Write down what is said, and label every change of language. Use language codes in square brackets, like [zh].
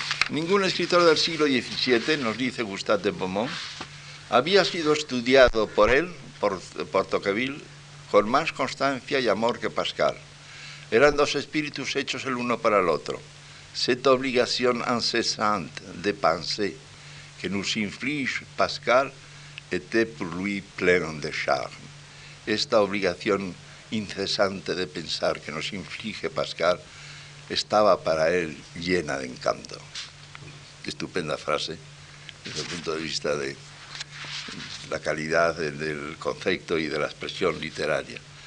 [es] Ningún escritor del siglo XVII, nos dice Gustave de Beaumont, había sido estudiado por él, por Tocqueville, con más constancia y amor que Pascal. Eran dos espíritus hechos el uno para el otro. [fr] Cette obligation incessante de penser que nous inflige Pascal était pour lui pleine de charme. [es] Esta obligación incesante de pensar que nos inflige Pascal estaba para él llena de encanto. Estupenda frase desde el punto de vista de la calidad del concepto y de la expresión literaria.